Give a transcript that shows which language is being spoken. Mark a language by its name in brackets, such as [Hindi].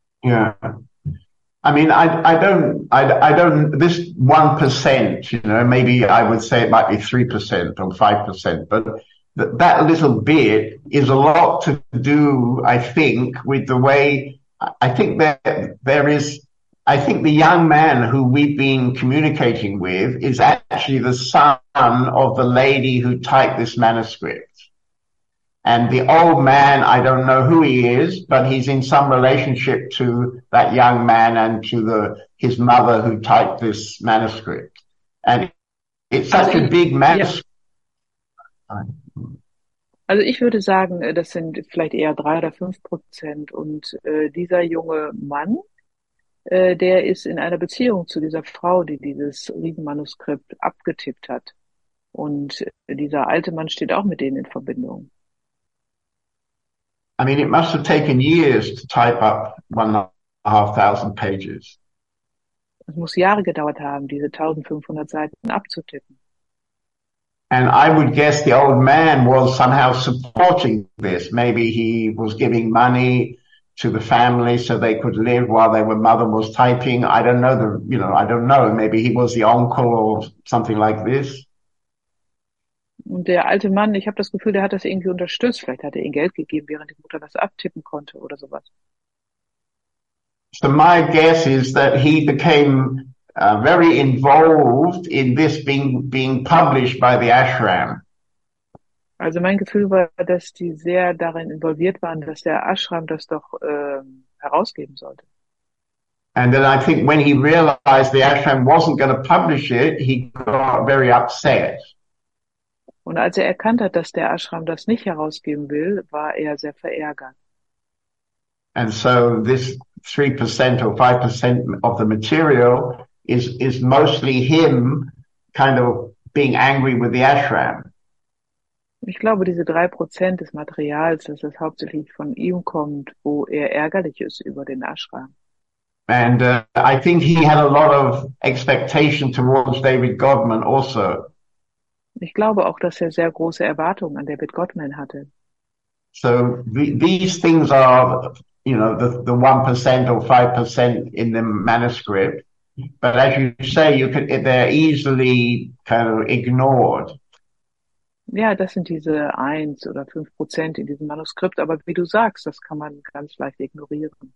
[English] Yeah. I mean, I don't, this 1%, you know, maybe I would say it might be 3% or 5%, but that little bit is a lot to do, I think, with the way, I think that there is, I think the young man who we've been communicating with is actually the son of the lady who typed this manuscript. And the old man, I don't know who he is, but he's in some relationship to that young man and to his mother who typed this manuscript. And it's such a big manuscript. [German] Also ich würde sagen, das sind vielleicht eher 3 oder 5%. Und dieser junge Mann, der ist in einer Beziehung zu dieser Frau, die dieses Riesenmanuskript abgetippt hat. Und dieser alte Mann steht auch mit denen in Verbindung. [English] I mean, it must have taken years to type up 1,500 pages. [German] Es muss Jahre gedauert haben, diese 1,500 Seiten abzutippen. [English] And I would guess the old man was somehow supporting this. Maybe he was giving money to the family so they could live while their mother was typing. I don't know Maybe he was the uncle or something like this. [German] Und der alte Mann, ich habe das Gefühl, der hat das irgendwie unterstützt. Vielleicht hat er ihm Geld gegeben, während die Mutter das abtippen konnte oder sowas. [English] So my guess is that he became very involved in this being published by the ashram. [German] Also mein Gefühl war, dass die sehr darin involviert waren, dass der Ashram das doch herausgeben sollte. [English] And then I think when he realized the ashram wasn't going to publish it, he got very upset. [German] Und als er erkannt hat, dass der Ashram das nicht herausgeben will, war er sehr verärgert. [English] And so this 3% or 5% of the material is mostly him kind of being angry with the ashram. [German] Ich glaube, diese 3% des Materials, dass es hauptsächlich von ihm kommt, wo er ärgerlich ist über den Ashram. [English] And I think he had a lot of expectation towards David Godman also. [German] Ich glaube auch, dass er sehr große Erwartungen an David Godman hatte. [English] So these things are, you know, the 1% or 5% in the manuscript. But as you say, you could, they're easily kind of ignored. [German] Ja, das sind diese 1 oder 5% in diesem Manuskript, aber wie du sagst, das kann man ganz leicht ignorieren.